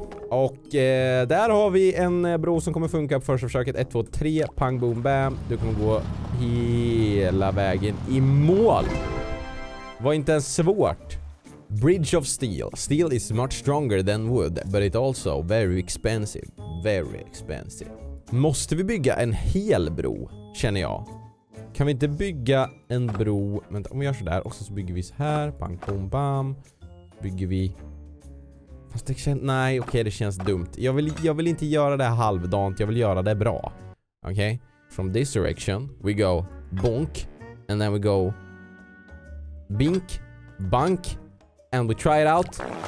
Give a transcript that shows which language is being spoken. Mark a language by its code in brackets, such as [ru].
[sv] Och där har vi en bro som kommer funka på första försöket. 1, 2, 3, pang, boom, bam. Du kommer gå hela vägen i mål. Var inte ens svårt. [en] Bridge of steel. Steel is much stronger than wood, but it also very expensive. Very expensive. [sv] Måste vi bygga en hel bro, känner jag. Kan vi inte bygga en bro? Vänta, om vi gör sådär. Och så bygger vi så här. Pang, boom, bam. Bygger vi... Fast det känns, nej, okej, det känns dumt. Jag vill inte göra det halvdant. Jag vill göra det bra. Okej. [en] From this direction we go bonk, and then we go bink, bunk, and we try it out.